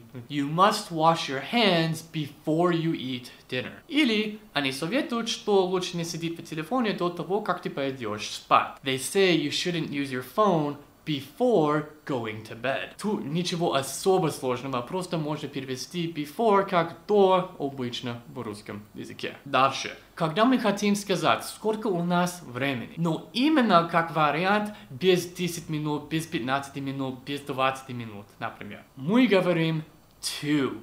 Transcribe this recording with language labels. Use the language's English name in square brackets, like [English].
[English] You must wash your hands before you eat dinner. [Russian] Или они советуют, что лучше не сидеть в телефоне до того, как ты пойдешь спать. [English] They say you shouldn't use your phone before going to bed. [Russian] Тут ничего особо сложного, просто можно перевести before как до обычно в русском языке. Дальше. Когда мы хотим сказать, сколько у нас времени, но именно как вариант без 10 минут, без 15 минут, без 20 минут, например, мы говорим to.